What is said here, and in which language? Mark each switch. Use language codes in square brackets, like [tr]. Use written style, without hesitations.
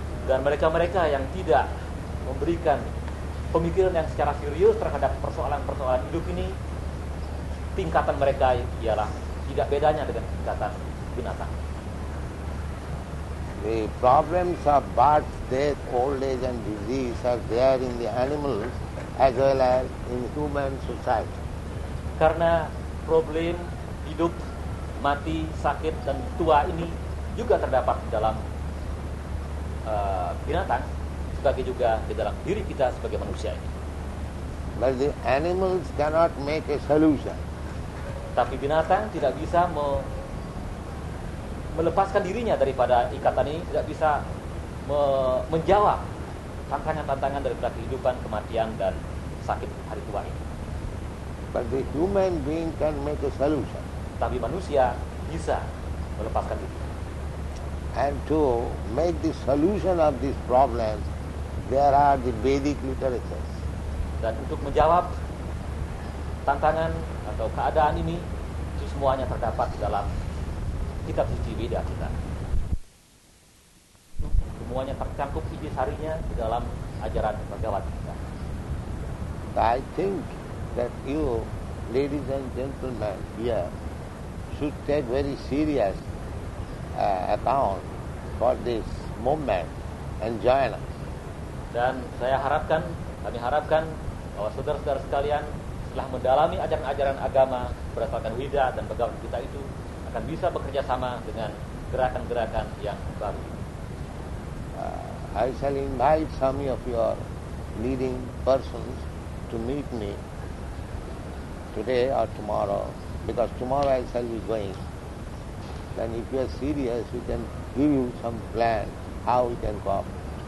[id] Dan mereka-mereka yang tidak memberikan pemikiran yang secara serius terhadap persoalan-persoalan hidup ini, tingkatan mereka ialah tidak bedanya dengan tingkatan binatang. [en] The problems of birth, death, old age and disease are there in the animals as well as in human society. [id] Karena problem hidup, mati, sakit dan tua ini juga terdapat di dalam binatang, sebagai juga di dalam diri kita sebagai manusia ini. [en] But the animals cannot make a solution. [id] Tapi binatang tidak bisa melepaskan dirinya daripada ikatan ini, tidak bisa menjawab tantangan-tantangan daripada kehidupan, kematian dan sakit hari tua ini. [en] But the human being can make a solution. [id] Tapi manusia bisa melepaskan diri. [en] And to make the solution of this problem, there are the Vedic literatures. [id] Dan untuk menjawab tantangan atau keadaan ini, itu semuanya terdapat dalam kitab suci Weda kita. Semuanya tercakup isi harinya di dalam ajaran Bhagavad Gita. [en] I think that you, ladies and gentlemen here, should take very serious account for this movement and join us. [id] Dan saya harapkan, kami harapkan bahwa saudara-saudara sekalian setelah mendalami ajaran-ajaran agama berdasarkan Wida dan Bhagavad Gita itu akan bisa bekerja sama dengan gerakan-gerakan yang baru. [en] I shall invite some of your leading persons to meet me today or tomorrow, because tomorrow I shall be going. Then if you are serious, we can give you some plan how we can cooperate.